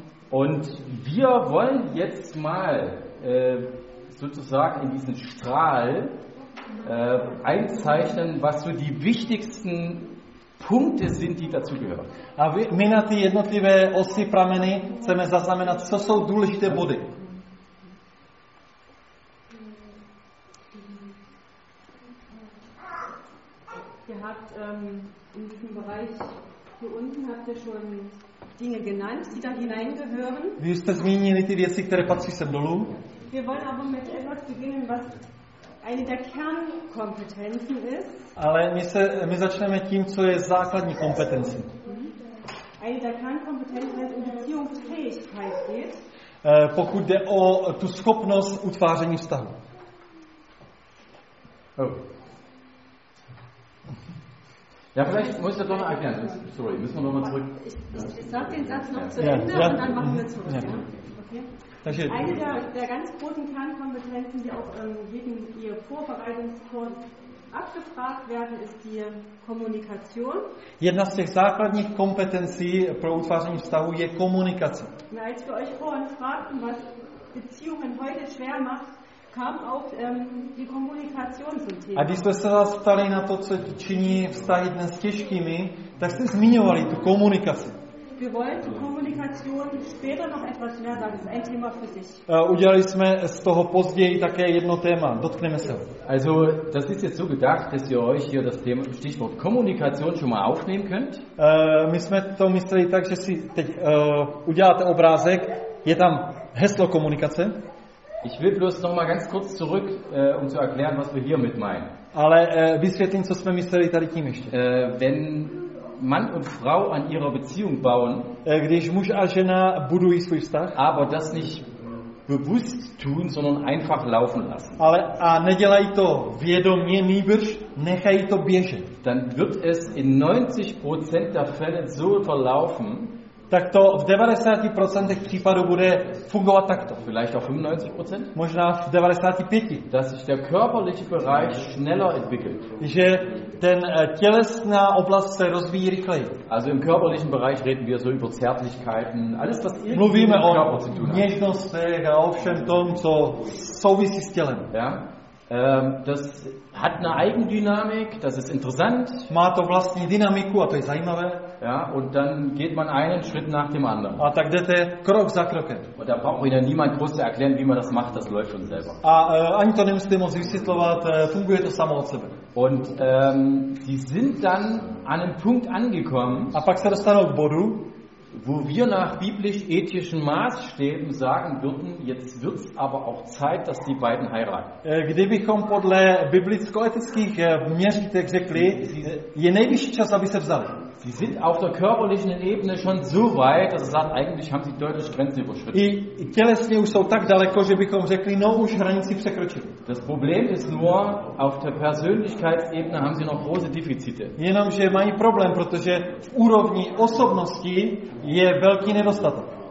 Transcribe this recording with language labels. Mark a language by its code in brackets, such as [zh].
[de] Und wir wollen jetzt mal sozusagen in diesen Strahl einzeichnen, was so die wichtigsten Punkte sind, die dazu gehören. [cs] A my na ty jednotlivé osy prameny chceme zaznamenat, co jsou důležité body. [de] Ihr habt in diesem Bereich hier unten habt ihr schon Dinge genannt, die da hineingehören. [cs] Vy jste zmínili ty věci, které patří sem dolů. [de] Wir wollen aber mit etwas beginnen, was eine der Kernkompetenzen ist. [cs] Ale my začneme tím, co je základní kompetencí. [de] Eine der Kernkompetenzen, wenn es um Beziehungsfähigkeit geht. [cs] Pokud jde o tu schopnost utváření vztahu. Oh. [de] Ja, vielleicht muss ich doch mal erklären. Sorry, müssen wir nochmal zurück. Ich sag den Satz noch zu Ende und dann machen wir zurück. Yeah. [cs] Takže [de] eine der ganz großen Kernkompetenzen, die auch jeden ihr Vorbereitungskurs abgefragt werden, ist die Kommunikation. [cs] Jedna z těch základních kompetencí pro utváření vztahu je komunikace. [de] Als wir euch vorhin fragten, was Beziehungen heute schwer macht, kam auch die Kommunikation zum Thema. [cs] A když jste se vás ptali na to, co činí vztahy dnes těžkými, tak jste zmiňovali tu komunikaci. [de] Wir wollen die Kommunikation später noch etwas mehr, dann ist ein Thema für sich. [cs] Udělali jsme z toho později také jedno téma. Dotkneme se. [de] Also, das ist jetzt so gedacht, dass ihr euch hier das Thema Stichwort Kommunikation schon mal aufnehmen könnt. [cs] My jsme to mysleli tak, že si teď uděláte obrázek, je tam heslo komunikace. [de] Ich will bloß noch mal ganz kurz zurück, um zu erklären, was wir hier mit meinen. [cs] Ale vysvětlím, co jsme mysleli tady tím ještě. [de] Wenn Mann und Frau an ihrer Beziehung bauen, [cs] když muž a žena budují svůj vztah, [de] aber das nicht bewusst tun, sondern einfach laufen lassen. [cs] Ale a nedělají to vědomě, nýbrž nechají to běžet. [de] Dann wird es in 90% der Fälle so verlaufen, [cs] tak to v 90% případů bude fungovat takto. [de] Vielleicht auch 95%? [cs] Možná v 95%. [de] Dass sich der körperliche Bereich schneller entwickelt. [cs] Že ten tělesná oblast se rozvíjí rychleji. [de] Also im körperlichen Bereich reden wir so über Zärtlichkeiten, alles was irgendwie [cs] mluvíme [de] mit Körper zu tun hat. [cs] Něžnostech a o všem tom, co souvisí s tělem. [de] Ja? Das hat eine Eigendynamik, das ist interessant. [cs] Má to vlastní dynamiku a to je zajímavé. [de] Ja, und dann geht man einen Schritt nach dem anderen. [cs] A tak jdete krok za krokem. [de] Und da braucht wieder niemand groß zu erklären, wie man das macht, das läuft von selber. [cs] A ani to nemusíte moc vysvětlovat, funguje to samo od sebe. [de] Und sie sind dann an einem Punkt angekommen, [cs] a pak se dostanou k bodu, [de] wo wir nach biblisch-ethischen Maßstäben sagen würden, jetzt wird's aber auch Zeit, dass die beiden heiraten. [cs] Kdybychom podle biblicko-etických měřítek řekli, je nejvyšší čas, aby se vzali. [de] Sie sind auf der körperlichen Ebene schon so weit, dass es sagt, eigentlich haben sie deutlich Grenzen überschritten. [cs] I tělesně už jsou tak daleko, že bychom řekli, no už hranici překročili. [de] Das Problem ist nur, auf der Persönlichkeitsebene haben sie noch große Defizite. [cs] Jenomže mají problém, protože v úrovni osobnosti je velký nedostatek.